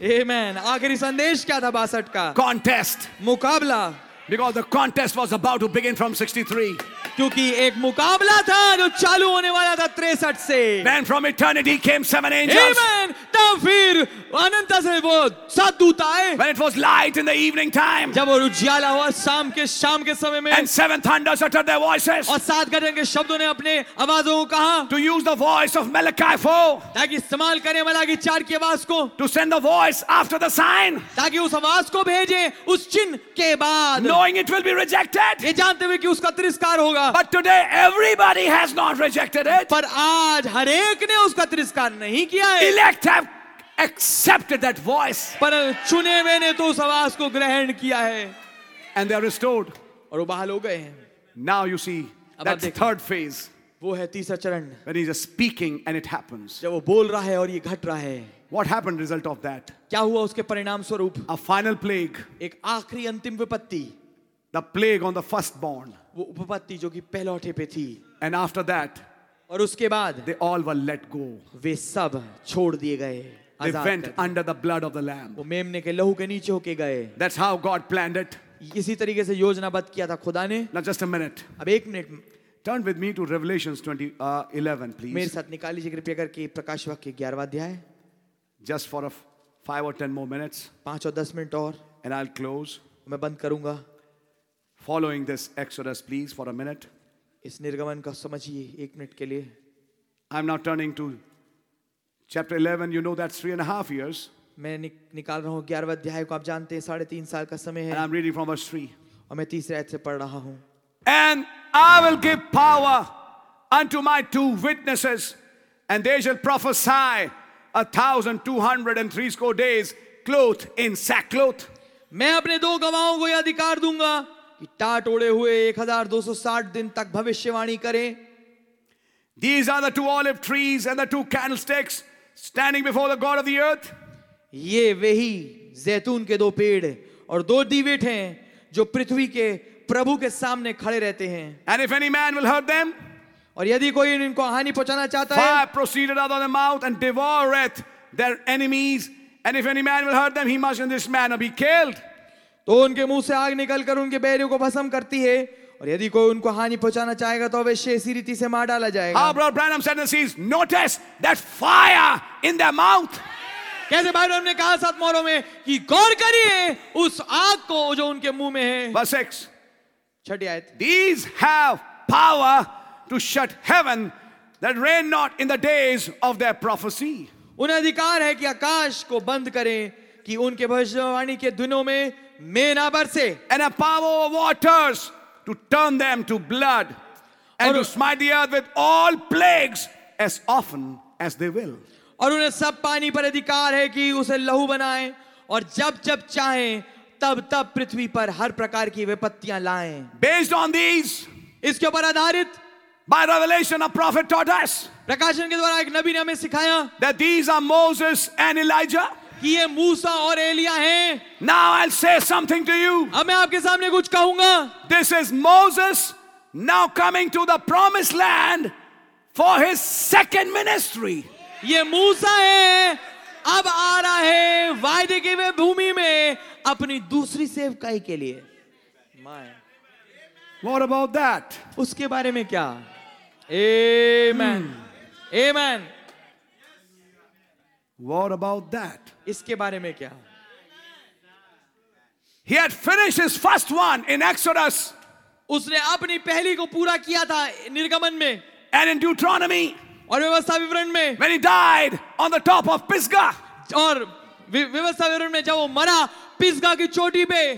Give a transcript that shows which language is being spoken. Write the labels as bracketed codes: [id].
[hi] Amen. आखिरी संदेश क्या था 62 का? [en] Contest. [hi] मुकाबला. [en] Because the contest was about to begin from 63. [hi] क्योंकि एक मुकाबला था जो चालू होने वाला था 63 से. [en] Then from eternity came seven angels. Amen. [hi] तब फिर अनंत से वो सात दूत आए. [en] When it was light in the evening time. [hi] जब वो उज्याला हुआ शाम के समय में. [en] And seven thunders uttered their voices. [hi] और सात गर्जन के शब्दों ने अपने आवाजों को कहा. [en] To use the voice of Malachi 4. [hi] ताकि इस्तेमाल करें मलाकी 4 की आवाज को. [en] To send the voice after the sign. [hi] ताकि उस आवाज को भेजे उस चिन्ह के बाद. [en] Knowing it will be rejected. [hi] ये जानते हुए कि उसका तिरस्कार होगा. [en] But today everybody has not rejected it. [hi] पर आज हर एक ने उसका तिरस्कार नहीं किया है. [en] Elect have accepted that voice. [hi] पर चुने हुए ने तो उस आवाज को ग्रहण किया है. [en] And they are restored. [hi] और वो बहाल हो गए हैं. [en] Now you see that third phase. [hi] वो है तीसरा चरण. [en] When he is speaking and it happens. [hi] जब वो बोल रहा है और ये घट रहा है. [en] What happened result of that? [hi] क्या हुआ उसके परिणाम स्वरूप? [en] A final plague. [hi] एक आखिरी अंतिम विपत्ति. [en] The plague on the firstborn. [hi] वो उपपत्ति जो कि पहलौठे पे थी. [en] And after that. [hi] और उसके बाद. [en] They all were let go. [hi] वे सब छोड़ दिए गए. [en] They went under the blood of the lamb. [hi] वो मेमने के लहू के नीचे होके गए. [en] That's how God planned it. [hi] इसी तरीके से योजनाबद्ध किया था खुदा ने. [en] Now just a minute. [hi] अब एक minute. [en] Turn with me to Revelation 11, please. [hi] मेरे साथ निकाल लीजिए कृपया करके प्रकाश वाक्य के 11वां अध्याय. [en] Just for a 5 or 10 more minutes. 5 or 10 minutes [hi] और. [en] And I'll close. [hi] मैं बंद करूँगा. [en] Following this Exodus, please, for a minute. [hi] इस निर्गमन का समझिए एक मिनट के लिए. [en] I'm now turning to chapter 11. You know that's 3.5 years. [hi] मैं निकाल रहा हूँ 11वां अध्याय को. आप जानते हैं 3.5 साल का समय है. [en] And I'm reading from verse 3. [hi] और मैं तीसरे आयत से पढ़ रहा हूँ. [en] And I will give power unto my 2 witnesses, and they shall prophesy 1,260 days, clothed in sackcloth. [hi] मैं अपने दो गवाहों को यह अधिकार दूंगा कि टाट ओढ़े हुए 1,260 दिन तक भविष्यवाणी करें. [en] These are the 2 olive trees and the 2 candlesticks standing before the God of the earth. [hi] ये वही जैतून के 2 पेड़ और 2 दीवट हैं जो पृथ्वी के प्रभु के सामने खड़े रहते हैं. [en] And if any man will hurt them, [hi] और यदि कोई इनको हानि पहुंचाना चाहता है, [en] fire proceeded out of their mouth and devoureth their enemies. And if any man will hurt them, he must in this manner be killed. [hi] तो उनके मुंह से आग निकलकर उनके बैरियों को भस्म करती है, और यदि कोई उनको हानि पहुंचाना चाहेगा, तो अवश्य इसी रीति से मार डाला जाएगा. [en] How brother Branham said this is, notice that fire in their mouth. [hi] कैसे भाई ने कहा 7 मोहरों में कि गौर करिए उस आग को जो उनके मुंह में है. [en] Verse 6. [hi] छठी आयत. [en] These have power to shut heaven that rain not in the days of their prophecy. [hi] उन्हें अधिकार है कि आकाश को बंद करें कि उनके भविष्यवाणी के दिनों में मेघ ना बरसे. [en] And a power of waters to turn them to blood and to smite the earth with all plagues as often as they will. [hi] और उन्हें सब पानी पर अधिकार है कि उसे लहू बनाएं और जब जब चाहें तब तब पृथ्वी पर हर प्रकार की विपत्तियां लाएं. [en] Based on these, [hi] इसके ऊपर आधारित, [en] by revelation a prophet taught us, [hi] प्रकाशन के द्वारा एक नबी ने हमें सिखाया, [en] that these are Moses and Elijah, [hi] कि ये मूसा और एलिया हैं. [en] Now I'll say something to you, [hi] अब मैं आपके सामने कुछ कहूंगा. [en] This is Moses now coming to the promised land for his second ministry. [hi] ये मूसा है अब आ रहा है वायदे की वे भूमि में अपनी दूसरी सेवकाई के लिए. [en] What about that? [hi] उसके बारे में क्या? Amen. Amen. [en] What about that? [hi] इसके बारे में क्या? [en] He had finished his first one in Exodus. [hi] उसने अपनी पहली को पूरा किया था निर्गमन में. [en] And in Deuteronomy. [hi] और व्यवस्था विवरण में. [en] When he died on the top of Pisgah. [hi] और व्यवस्था विवरण में जब वो मरा पिसगा की चोटी पे.